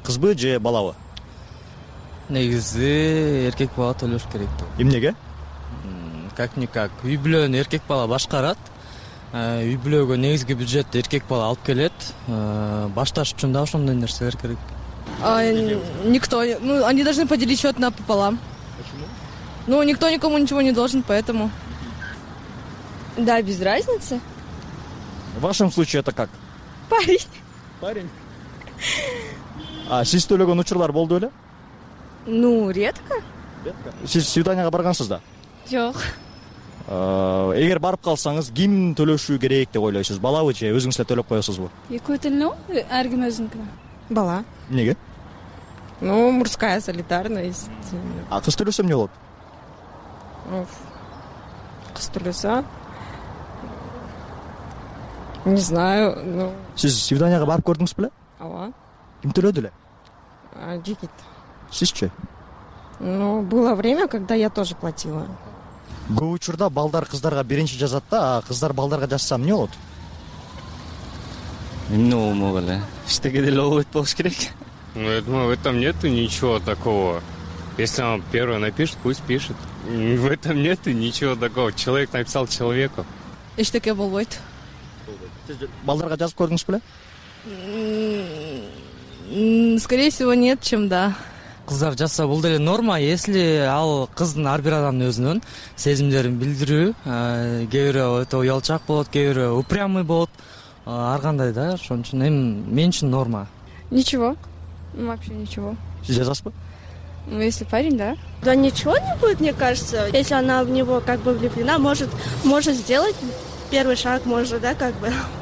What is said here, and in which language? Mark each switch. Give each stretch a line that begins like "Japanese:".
Kyrgyz: Кызбы же балабы? Негизи эркек бала төлөш керек. Эмнеге?
Russian: Как никак.
Kyrgyz: Үй бүлөнү эркек бала башкарат. Үй бүлөгө негизги бюджетти эркек бала алып келет. Башташ үчүн да ошондой нерселер керек.
Russian: Никто, ну, они должны поделить счёт напополам. Почему? Ну, никто никому ничего не должен, поэтому. Да, без разницы. В вашем случае это как? Парень. Парень?
Kyrgyz: А сиз төлөгөн учурлар болду эле?
Russian: Ну, редко. Редко.
Kyrgyz: Сиз свиданияга баргансыз да? Жок. Эгер барып калсаңыз, ким төлөшү керек деп ойлойсуз? Балабы же өзүңүз эле төлөп коесузбу? Экөө тең, ар ким өзүнүкү. Бала. Эмнеге?
Russian: Ну, мужская солидарность.
Kyrgyz: А кыз төлөсө эмне болот? Кыз төлөсө...
Russian: Не знаю, ну...
Kyrgyz: Сиз свиданияга барып көрдүңүз беле? Ооба. Ким төлөдү эле? Жигит. Сизчи?
Russian: Ну, было время, когда я тоже платила.
Kyrgyz: Көп учурда балдар кыздарга биринчи жазат да, а кыздар балдарга жазса эмне болот? Эмне болмок эле? Эчтеке деле болбойт болуш керек.
Russian: Ну, в этом нету ничего такого. Если он первый напишет, пусть пишет. В этом нету ничего такого. Человек написал человеку.
Kyrgyz: Эчтеке болбойт. Балдарга жазып көрдүңүз беле?
Russian: Скорее всего, нет, чем да.
Kyrgyz: Кыздар жасса бул деле норма, если ал кыздын ар бир адамдын өзүнүн сезимдерин билдирүү, кээ бирөө өтө уялчак болот, кээ бирөө упрямый болот, ар кандай да, ошон үчүн эми мен үчүн норма.
Russian: Ничего. Вообще ничего.
Kyrgyz: Сиз жазасызбы?
Russian: Ну, если парень, да. Да ничего не будет, мне кажется. Если она в него как бы влюблена, может сделать первый шаг, может, да, как бы.